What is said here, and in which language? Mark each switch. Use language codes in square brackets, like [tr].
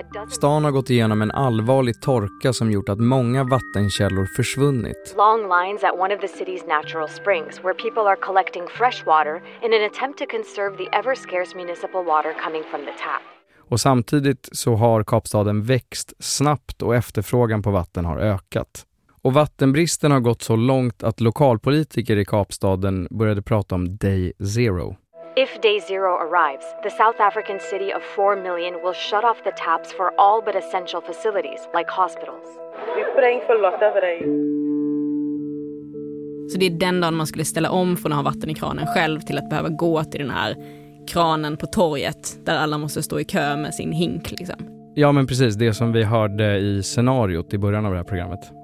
[sv] Stan har gått igenom en allvarlig torka som gjort att många vattenkällor försvunnit. [en] Long lines at one of the city's natural springs where people are collecting fresh water in an attempt to conserve the ever scarce municipal water coming from the tap. [sv] Och samtidigt så har Kapstaden växt snabbt och efterfrågan på vatten har ökat. Och vattenbristen har gått så långt att lokalpolitiker i Kapstaden började prata om day zero. [en] If day zero arrives, the South African city of 4 million will shut off the taps for all but essential facilities like hospitals. Vi praying för Lotta för dig. [sv] Så det är den dagen man skulle ställa om från att ha vatten i kranen själv till att behöva gå till den här kranen på torget där alla måste stå i kö med sin hink liksom. Ja, men precis, det som vi hörde i scenariot i början av det här programmet.